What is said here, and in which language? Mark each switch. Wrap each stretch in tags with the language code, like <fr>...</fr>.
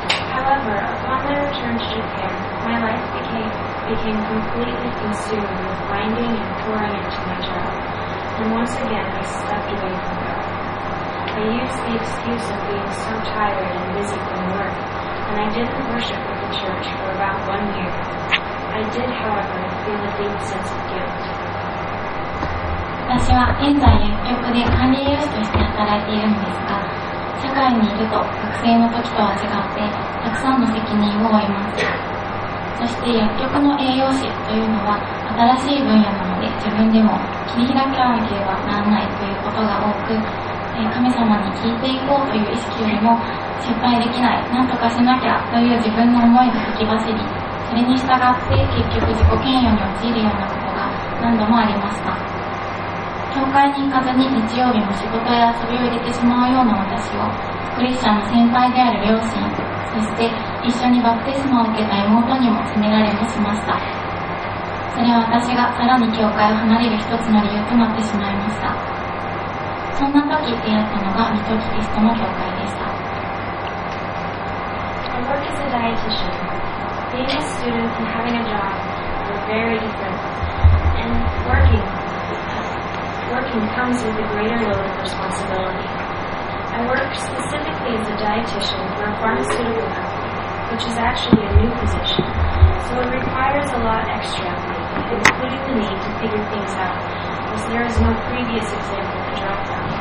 <en>However, upon my return to Japan, my life became completely consumed with grinding and pouring into my job, and once again I stepped away from God. I used the excuse of being so tired and busy from work, and I didn't worship at the church for about 1 year. I did, however, feel a deep sense of guilt.</en> <ja>私は現在薬局で管理栄養士として働いているのですが、社会にいると学生の時とは違ってたくさんの責任を負います。そして薬局の栄養士というのは新しい分野なので、自分でも切り開かなければならないということが多く、神様に聞いていこうという意識よりも、失敗できない、何とかしなきゃという自分の思いが吹き走り、それに従って結局自己嫌悪に陥るようなことが何度もありました。教会に行かずに日曜日も仕事や遊びを入れてしまうような私を、クリスチャンの先輩である両親、そして一緒にバプテスマを受けた妹にも責められもしました。それは私がさらに教会を離れる一つの理由となってしまいました。そんな時出会ったのが水戸キリストの教会でした。</ja> <en>I work as a dietitian. Being a student and having a job are very different. And working comes with a greater load of responsibility. I work specifically as a dietitian for a pharmaceutical company, which is actually a new position, so it requires a lot extra of me, including the need to figure things out, as there is no previous example to draw from.</en>